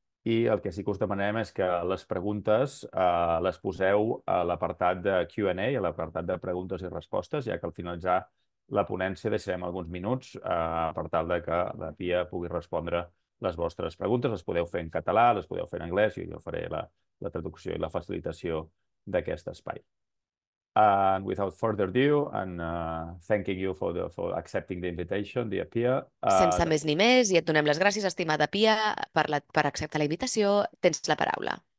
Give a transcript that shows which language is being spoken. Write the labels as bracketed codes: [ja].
[ca] I el que sí que us demanem és que les preguntes les poseu a l'apartat de Q&A, a l'apartat de preguntes i respostes, ja que al finalitzar la ponència deixarem alguns minuts per tal de que la Pia pugui respondre les vostres preguntes. Les podeu fer en català, les podeu fer en anglès, i jo faré la traducció i la facilitació d'aquest espai. [en] And without further ado, and thanking you for accepting the invitation, dear Pia. [ca] Sense més ni més, i et donem les gràcies, estimada Pia, per acceptar la invitació. Tens la paraula.